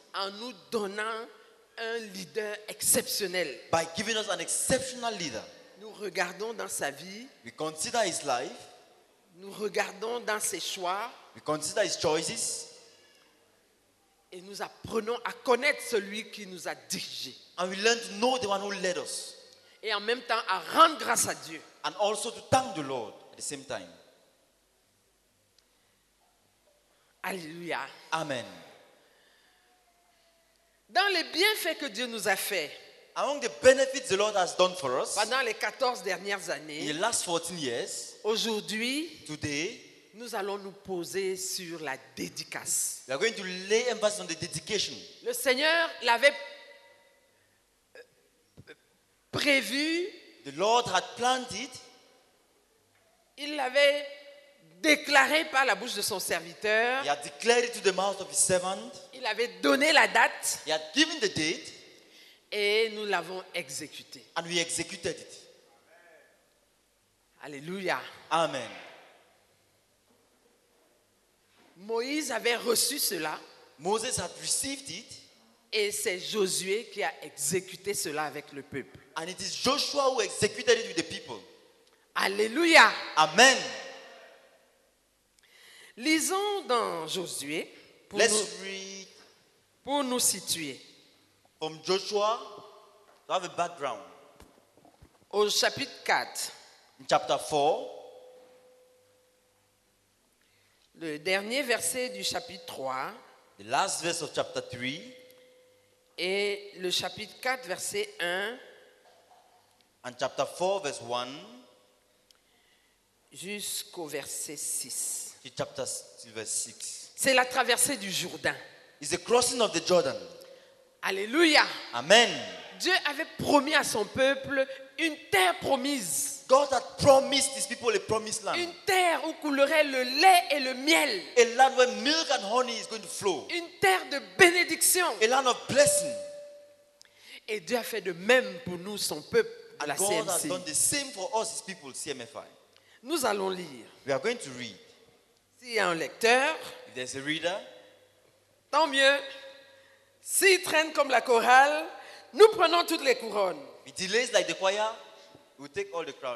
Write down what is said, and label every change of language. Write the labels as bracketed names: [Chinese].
[French] en nous donnant un leader exceptionnel. [English] By giving us an exceptional leader. [French] Nous regardons dans sa vie. [English] We consider his life. [French] Nous regardons dans ses choix. [English] We consider his choices. [French] Et nous apprenons à connaître celui qui nous a dirigé. [English] And we learn to know the one who led us. [French] Et en même temps à rendre grâce à Dieu. [English] And also to thank the Lord at the same time. [French] Alléluia. [English] Amen. [French] Dans les bienfaits que Dieu nous a fait. [English] Among the benefits the Lord has done for us. [French] Pendant les 14 dernières années. [English] In the last 14 years. [French] Aujourd'hui, [English] today, [French] nous allons nous poser sur la dédicace. [English] We are going to lay emphasis on the dedication. [French] Le Seigneur l'avait prévu. [English] The Lord had planned it. [French] Il l'avait déclaré par la bouche de son serviteur. [English] He had declared it to the mouth of his servant. [French] Il avait donné la date. [English] He had given the date. [French] Et nous l'avons exécuté. [English] And we executed it. [French] Alléluia. [English] Amen. [French] Moïse avait reçu cela. [English] Moses had received it. [French] Et c'est Josué qui a exécuté cela avec le peuple. [English] And it is Joshua who executed it with the people. [French] Alléluia. [English] Amen. [French] Lisons dans Josué pour, [English] let's [French] nous, [English] read [French] pour nous situer. [English] From Joshua, to have a background. [French] Au chapitre 4. [English] In chapter 4. [French] Le dernier verset du chapitre 3. [English] The last verse of chapter 3. [French] Et le chapitre 4, verset 1. [English] And chapter 4, verse 1. [French] Jusqu'au verset 6. [English] In chapter 6, verse 6. [French] C'est la traversée du Jourdain. [English] It's the crossing of the Jordan. [French] Alléluia. [English] Amen. [French] Dieu avait promis à son peuple une terre promise. [English] God had promised his people a promised land. [French] Une terre où coulerait le lait et le miel. [English] A land where milk and honey is going to flow. [French] Une terre de bénédiction. [English] A land of blessing. [French] Et Dieu a fait de même pour nous, son peuple, à la CMC. [English] God has done the same for us, his people, CMFI. [French] Nous allons lire. [English] We are going to read. [French] S'il y a un lecteur, [English] if there's a reader, [French] tant mieux. S'il traîne comme la chorale, nous prenons toutes les couronnes. [English] He delays like the choir, we take all the crowns.